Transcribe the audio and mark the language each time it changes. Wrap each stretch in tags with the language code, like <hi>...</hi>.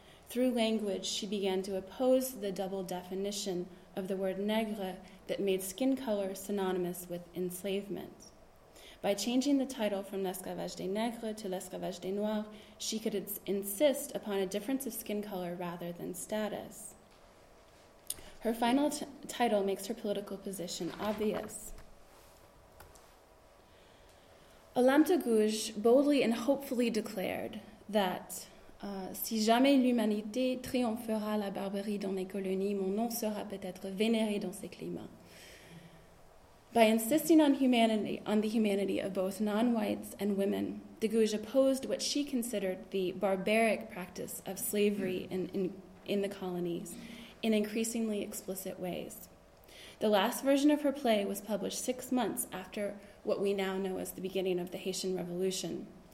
<en>Through language, she began to oppose the double definition of the word nègre that made skin color synonymous with enslavement. By changing the title from L'Esclavage des Nègres to L'Esclavage des Noirs, she could insist upon a difference of skin color rather than status. Her final title makes her political position obvious. Olympe de Gouges boldly and hopefully declared that</en> <fr>si jamais l'humanité triomphera la barbarie dans les colonies, mon nom sera peut-être vénéré dans ces climats.</fr> <en>By insisting on the humanity of both non-whites and women, Deguja opposed what she considered the barbaric practice of slavery in the colonies in increasingly explicit ways. The last version of her play was published 6 months after what we now know as the beginning of the Haitian Revolution.</en>